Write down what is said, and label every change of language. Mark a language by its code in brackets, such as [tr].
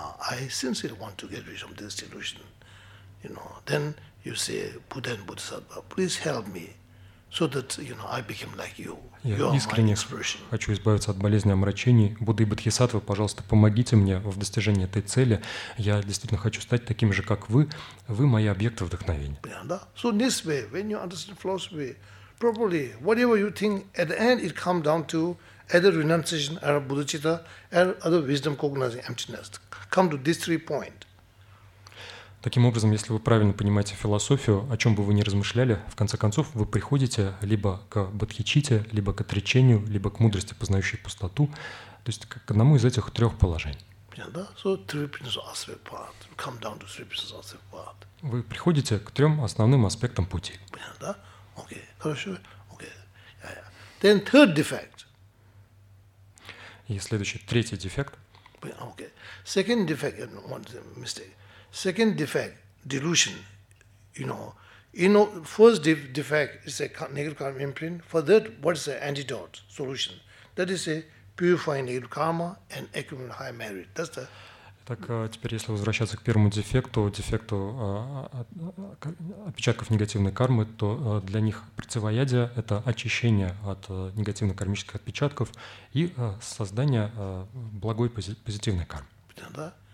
[en] I sincerely want to get rid of this delusion. You know, then you say, Buddha and Bodhisattva, please help me. So that, you know, I became like you. [ru] Я искренне хочу избавиться от болезни омрачений. Будды и Бодхисаттвы, пожалуйста, помогите мне в достижении этой цели. Я действительно хочу стать таким же, как вы. Вы мои объекты вдохновения. [en] So in this way, when you understand philosophy properly, whatever you think, at the end it comes down to either renunciation or bodhicitta or other wisdom cognizing emptiness. Come to these three points. [ru] Таким образом, если вы правильно понимаете философию, о чем бы вы ни размышляли, в конце концов вы приходите либо к бодхичитте, либо к отречению, либо к мудрости, познающей пустоту, то есть к одному из этих трех положений. [en] Yeah, [ru] да? [en] So three principles of aspect part. Come down to three principles of aspect part. [ru] Вы приходите к трем основным аспектам пути. [en] Yeah, [ru] да? [en] Okay, [ru] хорошо. [en] Okay. Yeah, yeah. Then third defect. [ru] И следующий, третий дефект. [en] Okay. Second defect, and one mistake. Second defect, delusion. You know. First defect is a negative karma imprint. For that, what is the antidote solution? That is a purifying negative karma and accumulating high merit. That's the. [ru] Так теперь, если возвращаться к первому дефекту, дефекту отпечатков негативной кармы, то для них противоядие — это очищение от негативно-кармических отпечатков и создание благой позитивной кармы.